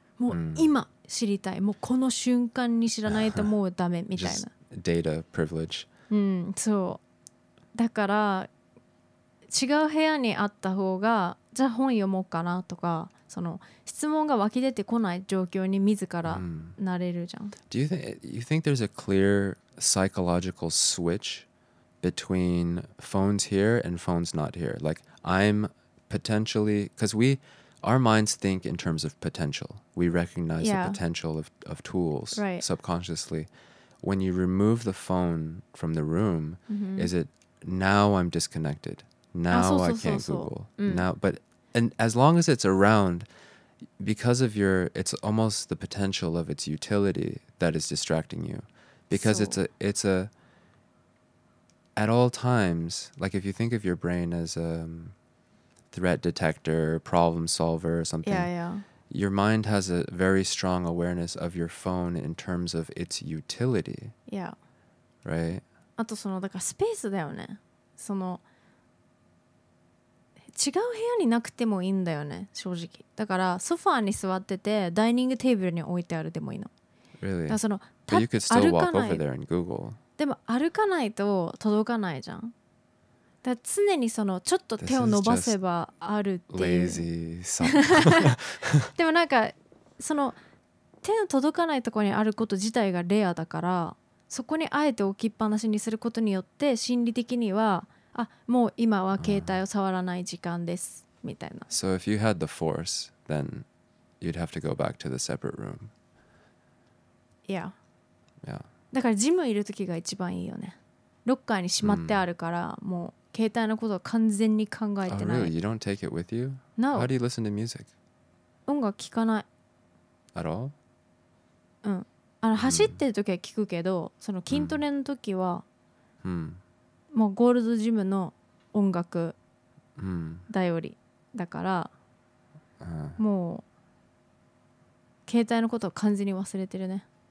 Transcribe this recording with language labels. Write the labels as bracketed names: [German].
[Japanese] もう今知りたい、もうこの瞬間に知らないともうダメみたいな。 [English] Data privilege. [Japanese] そう。だから違う部屋にあった方が、じゃあ本読もうかなとか、その質問が湧き出てこない状況に自らなれるじゃん。 [English] Do you think there's a clear psychological switch between phones here and phones not here? Like I'm potentially, because our minds think in terms of potential. We recognize the potential of tools subconsciously. When you remove the phone from the room, is it now I'm disconnected? Now I can't Google. Now, but and as long as it's around, because of your, it's almost the potential of its utility that is distracting you. Because it's at all times, like if you think of your brain as a threat detector, problem solver or something, your mind has a very strong awareness of your phone in terms of its utility. Yeah. Right? [Japanese] あとそのだからスペースだよね。その違う部屋になくてもいいんだよね、正直。だからソファーに座っててダイニングテーブルに置いてあるでもいいの。 [English] Really? [Japanese] だからその [English] But you could still walk over there and Google. [Japanese] でも歩かないと届かないじゃん。だから常にそのちょっと手を伸ばせばあるっていう。 [English] This is just lazy son. [Japanese] でもなんかその手の届かないところにあること自体がレアだから、そこにあえて置きっぱなしにすることによって心理的にはあ、もう今は携帯を触らない時間です、みたいな。 [English] So if you had the force, then you'd have to go back to the separate room. Yeah. Yeah. [Japanese] だからジムいる時が一番いいよね。ロッカーにしまってあるから、もう携帯のことは完全に考えてない。 [English] Oh, really? You don't take it with you? No. How do you listen to music? [Japanese] 音楽聞かない。 [English] At all? [Japanese] うん。あの走ってる時は聞くけど、その筋トレの時は、もうゴールドジムの音楽頼りだから、もう携帯のことを完全に忘れてるね。